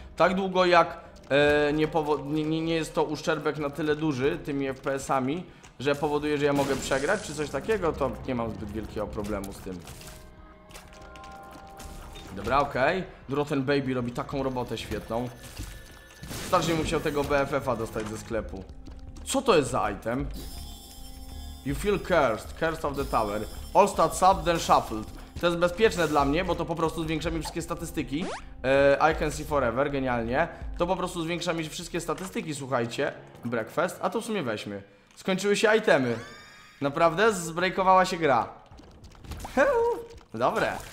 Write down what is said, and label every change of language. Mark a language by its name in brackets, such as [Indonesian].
[Polish] Tak długo jak nie jest to uszczerbek na tyle duży tymi FPS-ami, że powoduje, że ja mogę przegrać czy coś takiego, to nie mam zbyt wielkiego problemu z tym. Dobra, okej. Okay. Rotten Baby robi taką robotę świetną. Strasznie musiał tego BFF-a dostać ze sklepu. Co to jest za item? [English] You feel cursed, cursed of the tower. All stats up, then shuffled. [Polish] To jest bezpieczne dla mnie, bo to po prostu zwiększa mi wszystkie statystyki. [English] I can see forever, [Polish] genialnie. To po prostu zwiększa mi wszystkie statystyki, słuchajcie. Breakfast, a to w sumie weźmy. Skończyły się itemy. Naprawdę, zbreakowała się gra. Dobre.